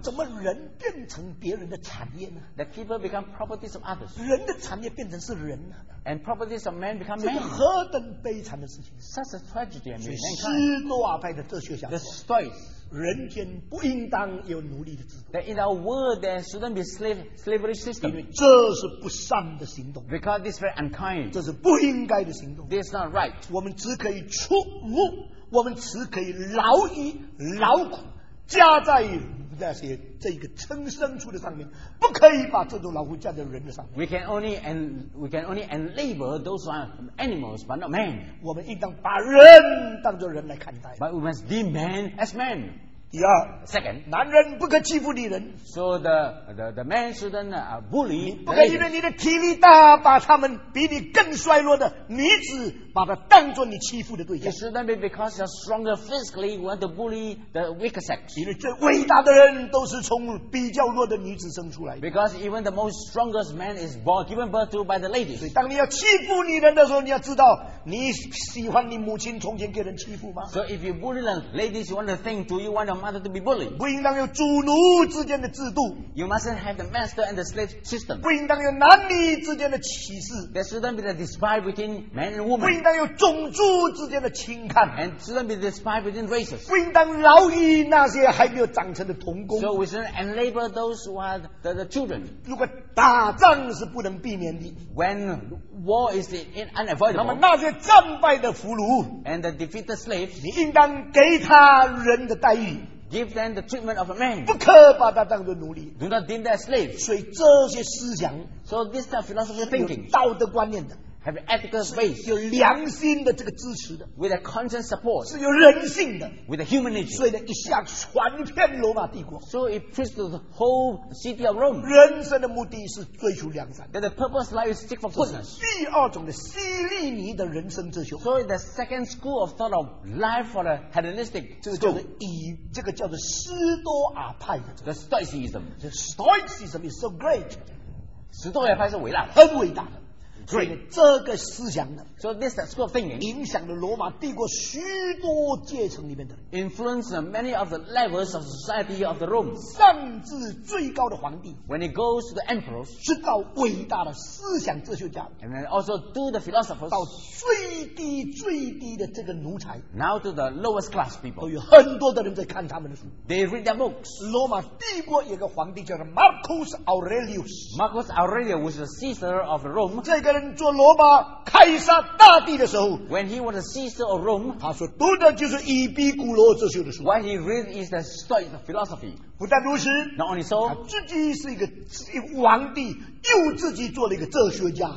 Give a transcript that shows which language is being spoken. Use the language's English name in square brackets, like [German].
[Chinese] 怎么人变成别人的产业呢 [English] ？That people become properties of others. [Chinese] 人的产业变成是人呢 [English] ？And properties of men become men. [Chinese] 这是何等悲惨的事情 [English] ！Such a tragedy. [Chinese] 所以斯多亚派的哲学家说 [English] ，The Stoics [Chinese] 人间不应当有奴隶的制度。 [English] That in our world there shouldn't be slavery system. [Chinese] 因为这是不善的行动。 [English] Because this is very unkind. [Chinese] 这是不应该的行动。 [English] This is not right. [Chinese] 我们只可以出入，我们只可以劳役劳苦，加在那些这个称牲畜的上面，不可以把这种劳苦加在人的上面。 [English] We can only enlabor those who are animals, but not men. [Chinese] 我们应当把人当作人来看待。 [English] But we must be man as man. [Chinese] 第二 [English] ，second， [Chinese] 男人不可欺负女人。 [English] So the man shouldn't bully. [Chinese] 不可因为你的体力大，把他们比你更衰弱的女子，把她当作你欺负的对象。 [English] It shouldn't be because you're stronger physically, you want to bully the weaker sex. [Chinese] 因为这伟大的人都是从比较弱的女子生出来的。 [English] Because even the most strongest man is born, given birth to by the ladies. [Chinese] 所以当你要欺负女人的时候，你要知道你喜欢你母亲从前给人欺负吗 [English] ？So if you bully the ladies, you want to think, do you want to mother to be bullied? [Chinese] 不应当有主奴之间的制度。 [English] You mustn't have the master and the slave system. [Chinese] 不应当有男女之间的歧视。 [English] There shouldn't be the despise between man and woman. [Chinese] 不应当有种族之间的轻看。 [English] And shouldn't be the despise between races. [Chinese] 不应当劳役那些还没有长成的童工。 [English] So we shouldn't enlabor those who are the children. [Chinese] 如果打仗是不能避免的。 [English] When war is unavoidable. [Chinese] 那么那些战败的俘虏。 [English] And the defeated slaves. [Chinese] 你应当给他人的待遇。 [English] Give them the treatment of a man. [Chinese] 不可把他当作奴隶。 [English] Do not deem them as slaves. [Chinese] 所以这些思想 [English] ，So this kind of philosophy thinking, [Chinese] 有道德观念的 [English] ，have ethical base, [Chinese] 有良心的这个支持的 [English] ，with a conscience support, [Chinese] 是有人性的 [English] ，with a human nature. [Chinese] 所以呢，一下传遍罗马帝国。 [English] So it preached to the whole city of Rome. [Chinese] 人生的目的是追求良善。 [English] That the purpose of life is seek for goodness. [Chinese] 第二种的西利尼的人生哲学。 [English] So the second school of thought of life for the Hellenistic school. [Chinese] 这个叫做以这个叫做斯多亚派的、这个、 [English] The Stoicism. The Stoicism is so great. [Chinese] 斯多亚派是伟大的，很伟大的。所以这个思想呢 [English] ，So this school of thinking [Chinese] 影响了罗马帝国许多阶层里面的 [English] ，influenced many of the levels of society of the Rome， [Chinese] 甚至最高的皇帝 [English] ，when it goes to the emperor， [Chinese] 直到伟大的思想哲学家 [English] ，and then also to the philosophers， [Chinese] 到最低最低的这个奴才 [English] ，now to the lowest class people， [Chinese] 都有很多的人在看他们的书 [English] ，they read their books。 [Chinese] 罗马帝国有个皇帝叫做 Marcus Aurelius， [English] Marcus Aurelius was the Caesar of Rome， [Chinese] 这个。做罗马凯撒大帝的时候 [English] ，When he was a Caesar of Rome， [Chinese] 他所读的就是以比古罗哲学的书。 [English] What he read is the Stoic philosophy。 [Chinese] 不但如此 [English] ，Not only so， [Chinese] 他自己是一个皇帝，又自己做了一个哲学家。